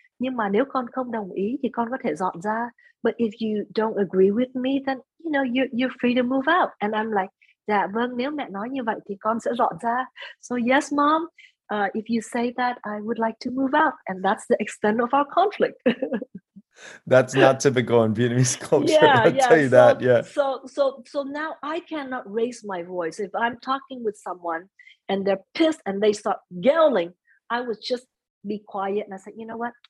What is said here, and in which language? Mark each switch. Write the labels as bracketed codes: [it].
[vi] Nhưng mà nếu con không đồng ý thì con có thể dọn ra. [en] But if you don't agree with me, then, you know, you're free to move out. And I'm like, [vi] dạ vâng, nếu mẹ nói như vậy thì con sẽ dọn ra. [en] So yes, Mom, if you say that, I would like to move out. And that's the extent of our conflict. That's not typical in Vietnamese culture, I'll tell you that. Yeah. So now I cannot raise my voice. If I'm talking with someone and they're pissed and they start yelling, I would just be quiet. And I said, you know what?